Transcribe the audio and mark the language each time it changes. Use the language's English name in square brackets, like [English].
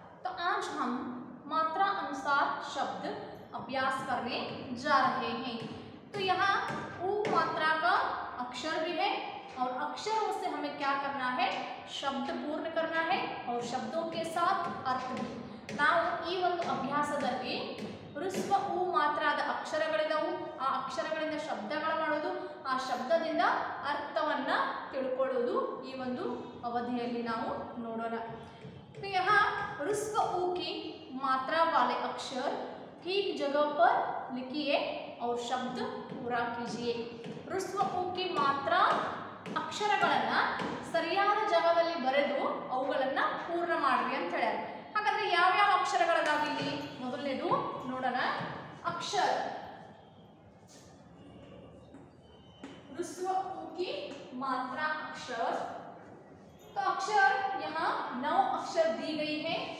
[Hindi] तो आज हम मात्रा अनुसार शब्द अभ्यास करने जा रहे हैं। तो यहाँ ऊ मात्रा का अक्षर भी है और अक्षरों से हमें क्या करना है शब्द पूर्ण करना है और शब्दों के साथ अर्थ भी। [Kannada] ನಾವು ಈ ಒಂದು ಅಭ್ಯಾಸದಲ್ಲಿ ಋಸ್ವ ಉ ಮಾತ್ರದ ಅಕ್ಷರಗಳಿದವು ಆ ಅಕ್ಷರಗಳಿಂದ ಶಬ್ದಗಳ ಮಾಡೋದು ಆ ಶಬ್ದದಿಂದ ಅರ್ಥವನ್ನ ತಿಳ್ಕೊಳ್ಳೋದು ಈ ಒಂದು ಅವಧಿಯಲ್ಲಿ ನಾವು ನೋಡೋಣ। [Hindi] तो यहाँ ಋಸ್ವ ಉ की मात्रा वाले अक्षर ठीक जगह पर लिखिए और शब्द पूरा कीजिए। [Kannada] ಋಸ್ವ ಉ [Hindi] की मात्रा [Kannada] ಅಕ್ಷರಗಳನ್ನು ಸರಿಯಾದ ಜಾಗದಲ್ಲಿ ಬರೆದು ಅವುಗಳನ್ನು ಪೂರ್ಣ ಮಾಡಿ ಅಂತ ಹೇಳಿದರು। ಹಾಗಾದ್ರೆ ಯಾವ ಯಾವ ಅಕ್ಷರಗಳಿದಾವೆ ಇಲ್ಲಿ ಮೊದಲನೇದು ನೋಡೋಣ ಅಕ್ಷರ ಋಸ್ವ ಉ [Hindi] की मात्रा अक्षर तो अक्षर यहाँ नौ अक्षर दी गई है।